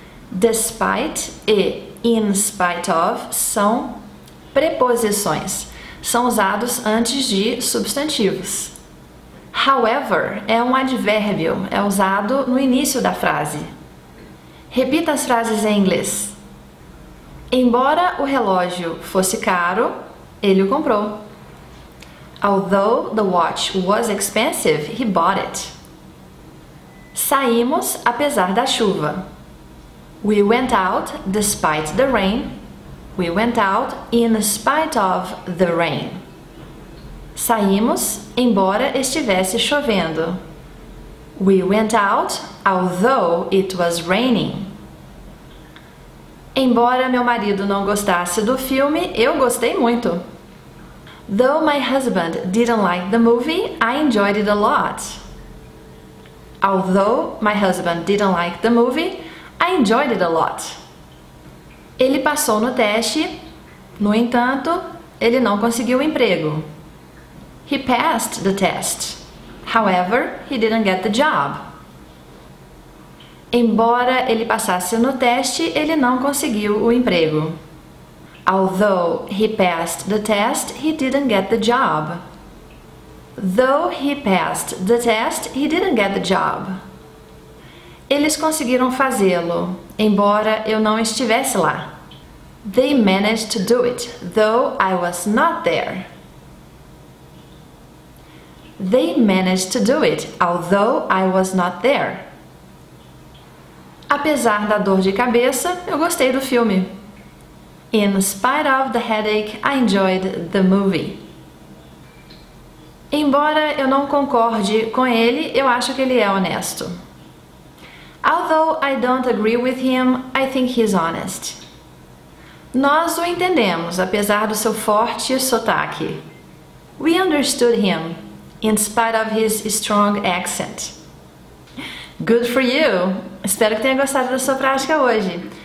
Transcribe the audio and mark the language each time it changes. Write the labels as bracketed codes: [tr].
[pt] Despite e in spite of são preposições, são usados antes de substantivos. However é um advérbio, é usado no início da frase. Repita as frases em inglês. Embora o relógio fosse caro, ele o comprou. [en] Although the watch was expensive, he bought it. [pt] Saímos apesar da chuva. [en] We went out despite the rain. We went out in spite of the rain. [pt] Saímos embora estivesse chovendo. [en] We went out although it was raining. [pt] Embora meu marido não gostasse do filme, eu gostei muito. [en] Though my husband didn't like the movie, I enjoyed it a lot. Although my husband didn't like the movie, I enjoyed it a lot. [pt] Ele passou no teste, no entanto, ele não conseguiu o emprego. [en] He passed the test. However, he didn't get the job. [pt] Embora ele passasse no teste, ele não conseguiu o emprego. [en] Although he passed the test, he didn't get the job. Though he passed the test, he didn't get the job. [pt] Eles conseguiram fazê-lo, embora eu não estivesse lá. [en] They managed to do it, though I was not there. They managed to do it, although I was not there. [pt] Apesar da dor de cabeça, eu gostei do filme. [en] In spite of the headache, I enjoyed the movie. [pt] Embora eu não concorde com ele, eu acho que ele é honesto. [en] Although I don't agree with him, I think he's honest. [pt] Nós o entendemos, apesar do seu forte sotaque. [en] We understood him, in spite of his strong accent. Good for you! [pt] Espero que tenha gostado da sua prática hoje.